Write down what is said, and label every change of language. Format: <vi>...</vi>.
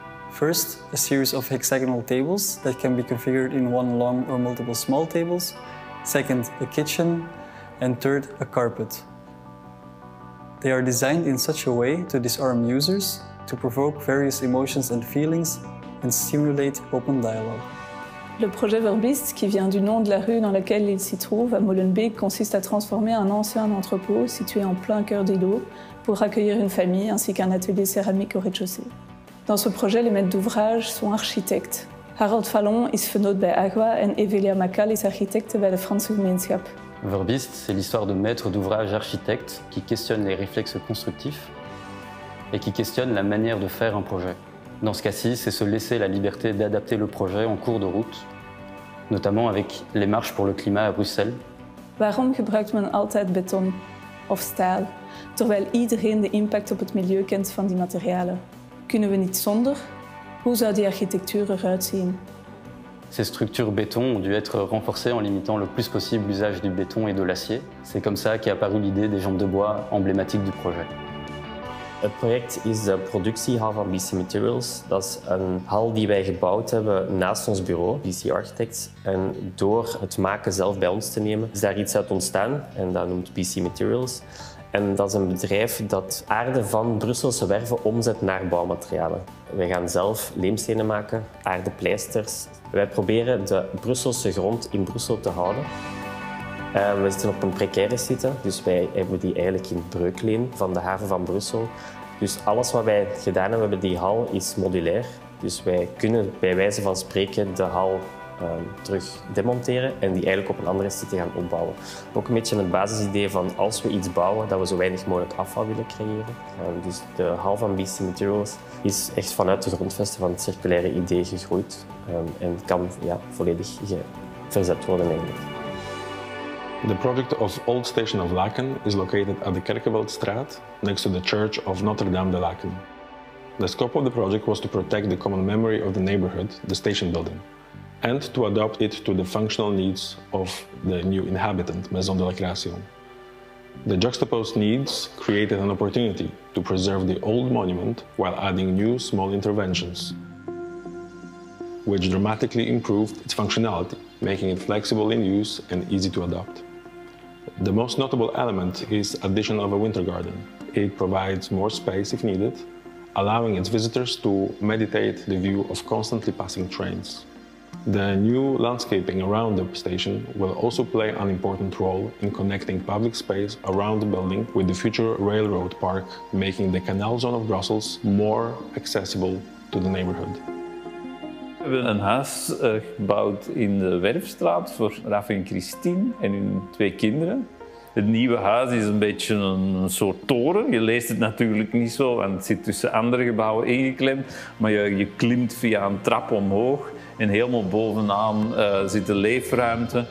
<en>First, a series of hexagonal tables that can be configured in one long or multiple small tables. Second, a kitchen. And third, a carpet. They are designed in such a way to disarm users, to provoke various emotions and feelings, and stimulate open dialogue.</en> <fr>Le projet Verbiste, qui vient du nom de la rue dans laquelle il s'y trouve, à Molenbeek, consiste à transformer un ancien entrepôt situé en plein cœur d'îlot pour accueillir une famille ainsi qu'un atelier céramique au rez-de-chaussée. Dans ce projet, les maîtres d'ouvrage sont architectes.</fr> <nl>Harold Fallon is vernoot bij AGWA en Evelia Makal is architecte bij de Franse Gemeenschap.</nl> <fr>Verbiste, c'est l'histoire de maîtres d'ouvrage architectes qui questionnent les réflexes constructifs et qui questionnent la manière de faire un projet. Dans ce cas-ci, c'est se laisser la liberté d'adapter le projet en cours de route, notamment avec les marches pour le climat à Bruxelles.</fr> <nl>Waarom gebruikt men altijd beton of staal, terwijl iedereen de impact op het milieu kent van die materialen? Kunnen we niet zonder? Hoe zou die architectuur eruit zien?</nl> <fr>Ces structures béton ont dû être renforcées en limitant le plus possible l'usage du béton et de l'acier. C'est comme ça qu'est apparue l'idée des jambes de bois emblématiques du projet.</fr> <nl>Het project is de productiehal van BC Materials. Dat is een hal die wij gebouwd hebben naast ons bureau, BC Architects. En door het maken zelf bij ons te nemen, is daar iets uit ontstaan. En dat noemt BC Materials. En dat is een bedrijf dat aarde van Brusselse werven omzet naar bouwmaterialen. Wij gaan zelf leemstenen maken, aardepleisters. Wij proberen de Brusselse grond in Brussel te houden. We zitten op een precaire site, dus wij hebben die eigenlijk in breukleen van de haven van Brussel. Dus alles wat wij gedaan hebben met die hal is modulair. Dus wij kunnen bij wijze van spreken de hal terug demonteren en die eigenlijk op een andere site gaan opbouwen. Ook een beetje het basisidee van als we iets bouwen, dat we zo weinig mogelijk afval willen creëren. Dus de hal van BC Materials is echt vanuit de grondvesten van het circulaire idee gegroeid en kan ja, volledig verzet worden eigenlijk.</nl> <en>The project of Old Station of Laeken is located at the Kerkeveldstraat next to the Church of Notre Dame de Laeken. The scope of the project was to protect the common memory of the neighborhood, the station building, and to adapt it to the functional needs of the new inhabitant, Maison de la Création. The juxtaposed needs created an opportunity to preserve the old monument while adding new small interventions, which dramatically improved its functionality, making it flexible in use and easy to adapt. The most notable element is addition of a winter garden. It provides more space if needed allowing its visitors to meditate the view of constantly passing trains. The new landscaping around the station will also play an important role in connecting public space around the building with the future railroad park, making the canal zone of Brussels more accessible to the neighborhood.</en> <nl>We hebben een huis gebouwd in de Werfstraat voor Raf en Christine en hun twee kinderen. Het nieuwe huis is een beetje een soort toren. Je leest het natuurlijk niet zo, want het zit tussen andere gebouwen ingeklemd. Maar je klimt via een trap omhoog en helemaal bovenaan zit de leefruimte.</nl>